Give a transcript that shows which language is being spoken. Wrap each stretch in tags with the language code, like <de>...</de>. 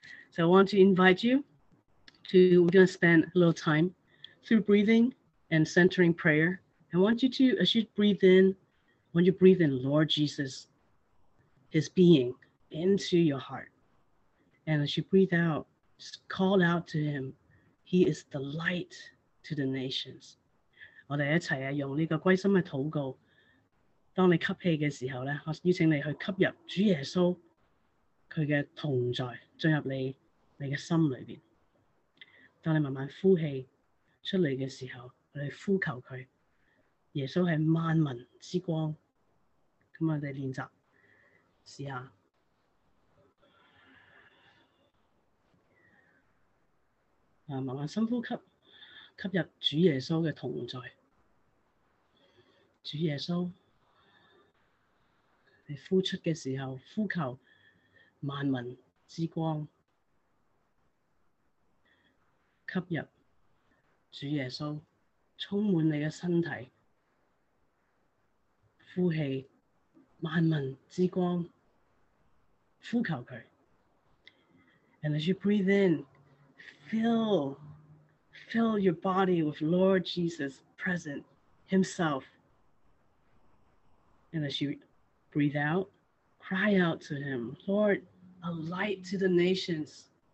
<en>So I want to invite you to, we're going to spend a little time through breathing and centering prayer. I want you to, as you breathe in, when you breathe in Lord Jesus, his being into your heart. And as you breathe out, just call out to him. He is the light to the nations.</en> <zh>我们一起用这个归心的祷告，当你吸气的时候，我邀请你去吸入主耶稣他的同在，进入 你的心里面。当你慢慢呼气出来的时候，我们呼求他，耶稣是万民之光。那我们练习试下。慢慢深呼吸，吸入主耶稣的同在。主耶稣，你呼出的时候，呼求万民之光，吸入主耶稣，充满你的身体，呼气万民之光，呼求他。</zh> <en>And as you breathe in,Fill your body with Lord Jesus present himself. And as you breathe out, cry out to him, Lord, a light to the nations.</en>